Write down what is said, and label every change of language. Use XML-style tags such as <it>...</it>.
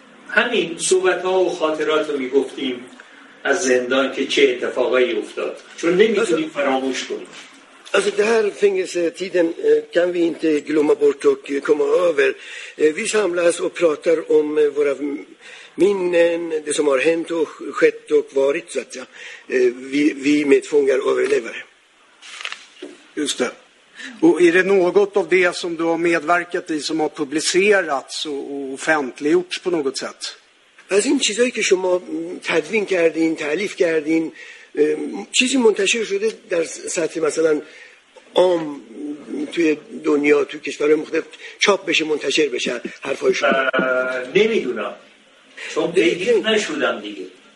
<fa>همین صحبت ها و خاطرات رو میگفتیم از زندان که چه اتفاقایی افتاد، چون نمیتونیم فراموش کنیم.</fa> <sv>Alltså det här fängelsetiden kan vi inte glömma bort och komma över. Vi samlas och pratar om våra minnen, det som har hänt och skett och varit, så att säga. Vi medfångar överlevare. Just det. Och är det något av det som du har medverkat i som har publicerats och offentliggjorts på något sätt?</sv> <fa>Alltså en chizai ki shoma tadvin kardin, ta'lif kardin. چیزی منتشر شده در سطح مثلا عام توی دنیا، توی کشورهای مختلف چاپ بشه، منتشر بشه حرفای شما؟ نمیدونم، چون پیگیر نشدم دیگه.</fa>